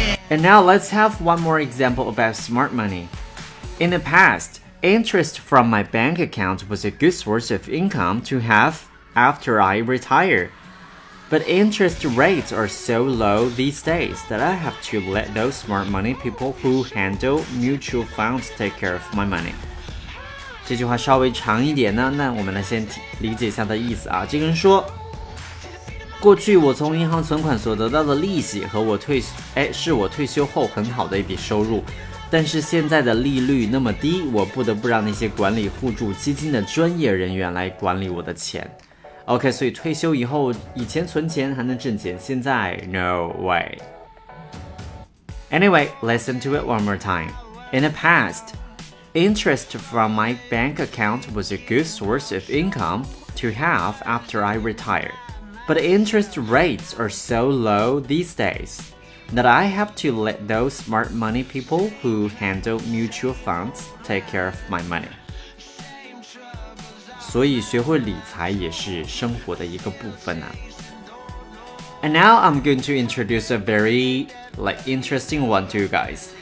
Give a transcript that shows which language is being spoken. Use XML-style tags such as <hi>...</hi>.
<en>And now let's have one more example about smart money. In the past, interest from my bank account was a good source of income to have after I retire. But interest rates are so low these days that I have to let those smart money people who handle mutual funds take care of my money.</en> <zh>这句话稍微长一点呢，那我们来先理解一下的意思啊。这个人说，过去我从银行存款所得到的利息和是我退休后很好的一笔收入，但是现在的利率那么低，我不得不让那些管理互助基金的专业人员来管理我的钱。 OK, 所以退休以后以前存钱还能挣钱，现在</zh> <en>No way. Anyway, listen to it one more time. In the past, interest from my bank account was a good source of income to have after I retire. But interest rates are so low these days that I have to let those smart money people who handle mutual funds take care of my money.</en> <zh>所以学会理财也是生活的一个部分啊。</zh> <en>And now I'm going to introduce a very, interesting one to you guys.</en>